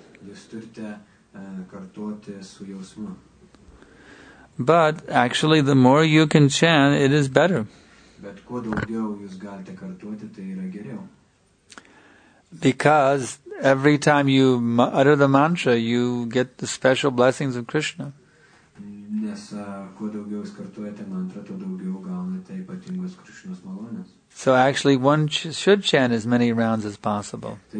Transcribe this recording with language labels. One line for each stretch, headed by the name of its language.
Lithuanian: Jūs turite kartuoti su jausmu.
English: But actually, the more you can chant, it is better.
Lithuanian: Bet kuo daugiau jūs galite kartuoti, tai yra geriau.
English: Because every time you utter the mantra, you get the special blessings of Krishna.
Lithuanian: Nes kuo daugiau jūs kartuojate mantrą, tuo daugiau gaunate ypatingos Krishnos malonės.
English: So actually, one should chant as many rounds as possible.